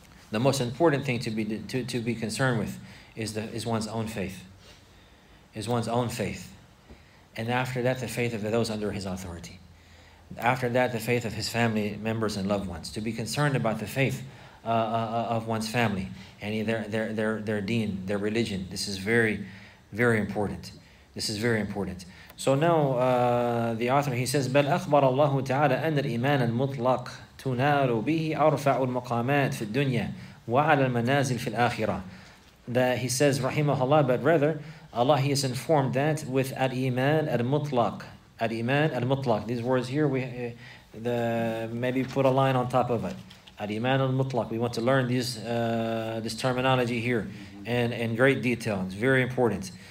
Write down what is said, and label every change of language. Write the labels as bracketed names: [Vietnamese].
[English] The most important thing to be concerned with is one's own faith. Is one's own faith. And after that, the faith of those under his authority. After that, the faith of his family members and loved ones. To be concerned about the faith of one's family, and their deen, their religion. This is very, very important. This is very important. So now, the author, he says, [Arabic] بَلْ أَخْبَرَ اللَّهُ تَعَالَى أَنَّ الْإِيمَانَ الْمُطْلَقَ تُنَارُ بِهِ أَرْفَعُ الْمَقَامَاتِ فِي الدُّنْيَا وَعَلَى الْمَنَازِلِ فِي الْآخِرَةِ. [English] That he says, rahimahullah, but rather, Allah, he is informed that with al-Iman al-Mutlaq, al-Iman al-Mutlaq. These words here, we maybe put a line on top of it. Al-Iman al-Mutlaq. We want to learn these this terminology here in great detail. It's very important.